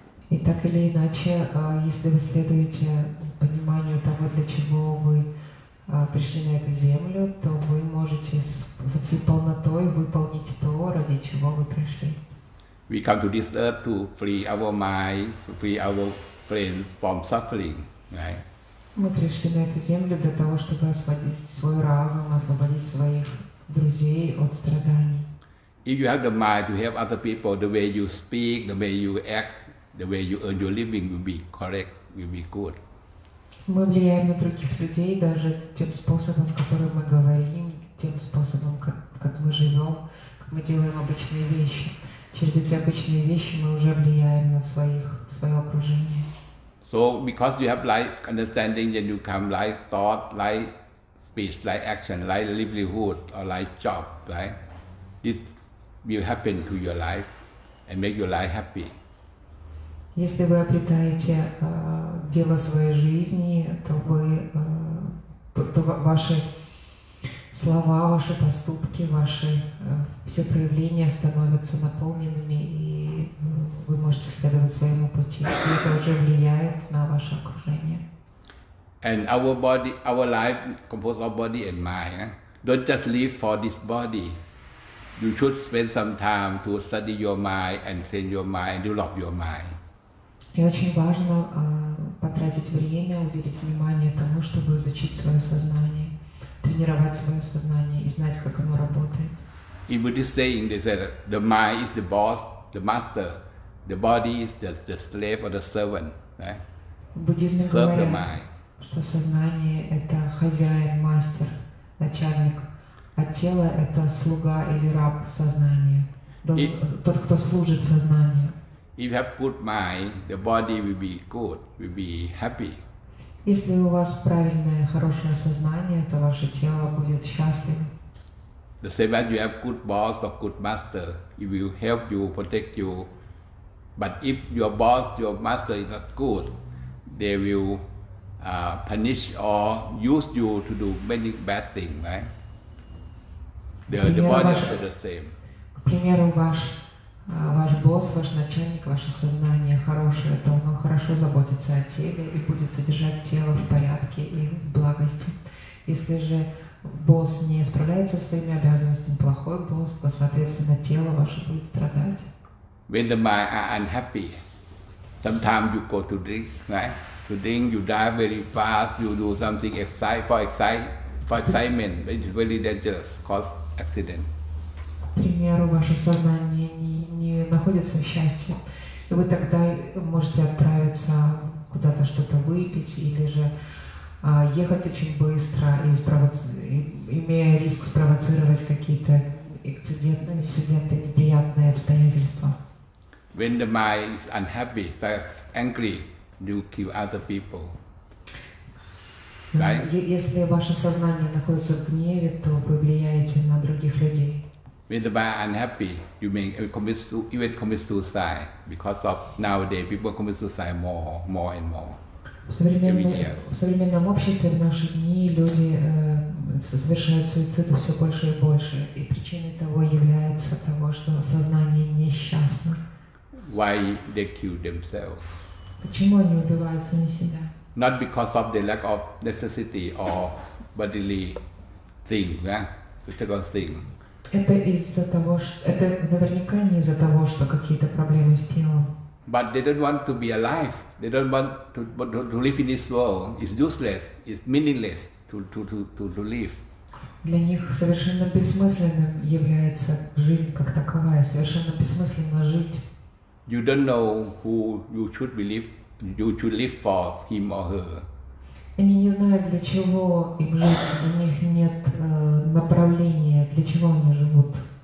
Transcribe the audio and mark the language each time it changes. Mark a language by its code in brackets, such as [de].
[ru] И так или иначе, если вы следуете пониманию того, для чего вы пришли на эту землю, то вы можете со всей полнотой выполнить то, ради чего вы пришли. [en] We come to this earth to free our mind, free our friends from suffering, right? [ru] Мы пришли на эту землю для того, чтобы освободить свой разум, освободить своих друзей от страданий. [en] If you have the mind to help other people, the way you speak, the way you act, the way you earn your living will be correct, will be good. [ru] Мы влияем на других людей даже тем способом, которым мы говорим, тем способом, как мы живем, как мы делаем обычные вещи. Через эти обычные вещи мы уже влияем на свое окружение. [en] So because you have like understanding, then you come like thought, like speech, like action, like livelihood or like job, right? It will happen to your life and make your life happy. [ru] Если вы обретаете дело своей жизни, то вы то ваши слова, ваши поступки, ваши все проявления становятся наполненными, и вы можете следовать своему пути. И это уже влияет на ваше окружение. [en] And our body, our life composed of body and mind. Don't just live for this body. You should spend some time to study your mind and train your mind, develop your mind. [ru] И очень важно потратить время, уделить внимание тому, чтобы изучить свое сознание. Тренировать свое сознание и знать, как оно работает. [en] In Buddhist saying, they said that the mind is the boss, the master, the body is the slave or the servant, right? Serve the mind. [ru] Что сознание — это хозяин, мастер, начальник, а тело — это слуга или раб сознания, тот, кто служит сознанию. [en] If you have good mind, the body will be good, will be happy. [ru] Если у вас правильное, хорошее сознание, то ваше тело будет счастливым. [en] The same as you have good boss or good master, it will help you, protect you. But if your boss, your master is not good, they will punish or use you to do many bad things, right? The body is the same. [ru] К примеру, ваш босс, ваш начальник, ваше сознание хорошее, то оно хорошо заботится о теле и будет содержать тело в порядке и в благости. Если же Босс не справляется со своими обязанностями, плохой босс, то, соответственно, тело ваше будет страдать. [en] When the mind are unhappy, sometimes you go to drink, right? To drink, you drive very fast, you do something for excitement, but it's very dangerous, cause accident. [ru] К примеру, ваше сознание не находится в счастье, и вы тогда можете отправиться куда-то что-то выпить или же ехать очень быстро и имея риск спровоцировать какие-то инциденты, неприятные обстоятельства. [en] When the mind is unhappy, starts angry, you kill other people. Right? [ru] Если ваше сознание находится в гневе, то вы влияете на других людей. [en] When the mind unhappy, you may commit suicide because of nowadays people commit suicide more and more. [ru] В современном обществе в наши дни люди совершают суицид все больше и больше, и причиной того является того, что сознание несчастно. [en] Why they kill themselves? [ru] Почему они убивают сами себя? [en] Not because of the lack of necessity or bodily thing, physical thing. [ru] Это наверняка не из-за того, что какие-то проблемы с телом. [en] But they don't want to be alive. They don't want to live in this world. It's useless. It's meaningless to live. [ru] Для них совершенно бессмысленным является жизнь как таковая. Совершенно бессмысленно жить. [en] You don't know who you should believe. You should live for him or her. [ru] Они не знают, для чего им жить. У них нет направления, для чего они живут.